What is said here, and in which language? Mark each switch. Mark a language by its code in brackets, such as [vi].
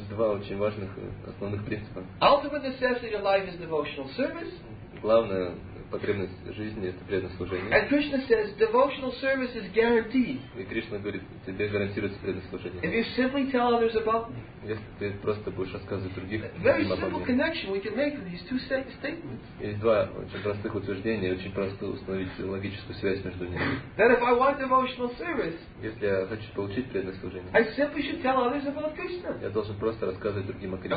[ru] Два очень важных основных принципа. [en] Ultimate necessity of life is devotional service. [ru] Главная потребность жизни – это преданное служение. [en] And Krishna says devotional service is guaranteed. [ru] И Кришна говорит, тебе гарантируется преданное служение. [en] If you simply tell others about me. [ru] Если ты просто будешь рассказывать других. [en] Very simple connection we can make with these two statements. [ru] Есть два очень простых утверждения, очень просто установить логическую связь между ними. [en] That if I want devotional service. [ru] Если я хочу получить преданное служение. [en] I simply should tell others about Krishna. [ru] Я должен просто рассказывать другим о Кришне.